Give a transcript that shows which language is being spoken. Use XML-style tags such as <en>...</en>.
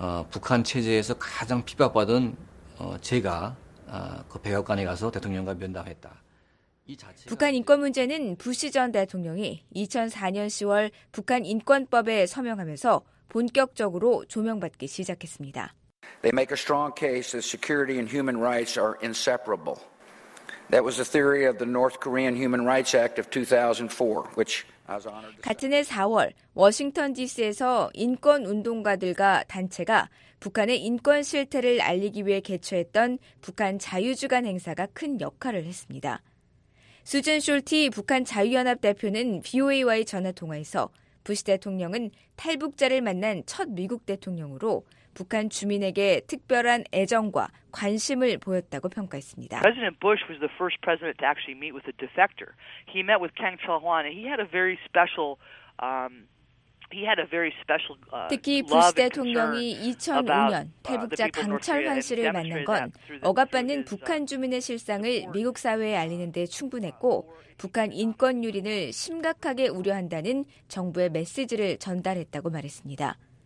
<ko>북한 체제에서 가장 핍박받은 제가 그 백악관에 가서 대통령과 면담했다. 이 자체가 북한 인권 문제는 부시 전 대통령이 2004년 10월 북한 인권법에 서명하면서 본격적으로 조명받기 시작했습니다.</ko> <en>They make a strong case that security and human rights are inseparable. That was the theory of the North Korean Human Rights Act of 2004, which</en> <ko>같은 해 4월 워싱턴 DC에서 인권운동가들과 단체가 북한의 인권 실태를 알리기 위해 개최했던 북한 자유주간 행사가 큰 역할을 했습니다. 수잔 숄티 북한 자유연합 대표는 VOA와의 전화통화에서 부시 대통령은 탈북자를 만난 첫 미국 대통령으로 북한 주민에게 특별한 애정과 관심을 보였다고 평가했습니다.</ko> <en>President Bush was the first president to actually meet with a defector. He met with Kang Chul-hwan and he had a very special He had a very special</en> <ko>특히 부시 대통령이 2005년 탈북자 강철환 씨를 만난 건 억압받는 북한 주민의 실상을 미국 사회에 알리는 데 충분했고 북한 인권 유린을 심각하게 우려한다는 정부의 메시지를 전달했다고 말했습니다.</ko>